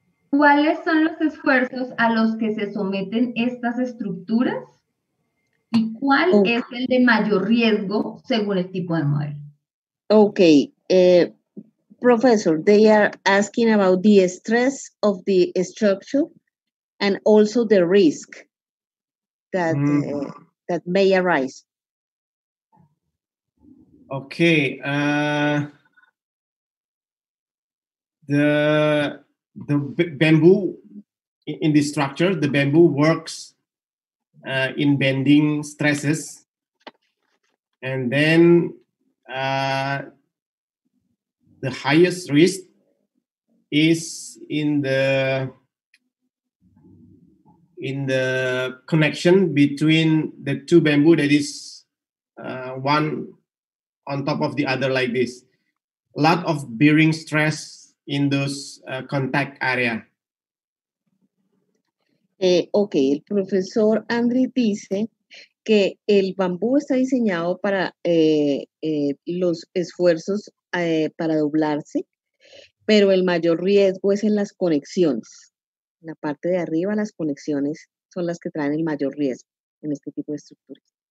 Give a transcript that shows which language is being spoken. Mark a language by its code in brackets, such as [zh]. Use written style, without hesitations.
[es] ¿Cuáles son los esfuerzos a los que se someten estas estructuras? ¿Y cuál es el de mayor riesgo según el tipo de modelo? Ok. [en] Professor, they are asking about the stress of the structure and also the risk that that may arise. Okay. The bamboo in the structure, the bamboo works in bending stresses, and then the highest risk is in the connection between the two bamboo that is one on top of the other like this. Lot of bearing stress in those contact area. [es] Okay, el profesor Andri dice que el bambú está diseñado para los esfuerzos para doblarse, pero el mayor riesgo es en las conexiones. La parte de arriba, las conexiones son las que traen el mayor riesgo en este tipo de estructuras.